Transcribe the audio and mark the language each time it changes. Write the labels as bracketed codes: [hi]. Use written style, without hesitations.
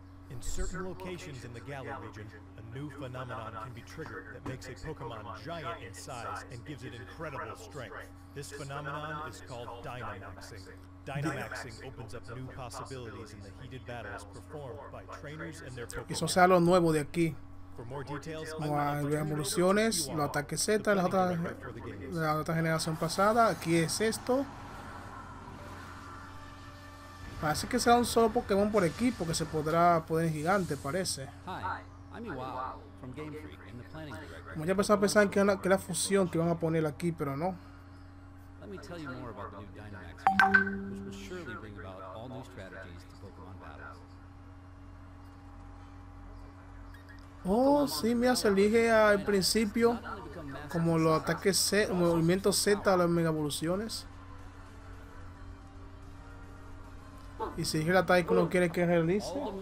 [en] In certain locations in the Galar region, a new phenomenon can be triggered that makes a Pokémon giant in size and gives it incredible strength. This phenomenon is called Dynamaxing. Dynamaxing opens up new possibilities in the heated battles performed by trainers and their Pokémon. [es] Eso sea lo nuevo de aquí. Como las evoluciones, los ataques Z, la otra generación pasada, aquí es esto. Parece que será un solo Pokémon por equipo que se podrá poner gigante, parece. Muchas personas pensaban que era fusión que iban a poner aquí, pero no. [en] Let me tell you more about the new Dynamax feature, which will surely bring about all new strategies to Pokemon battles. [es] Oh, sí, mira, se elige al principio como los ataques Z, movimientos Z a las mega evoluciones. Y si elige el ataque que uno quiere que realice.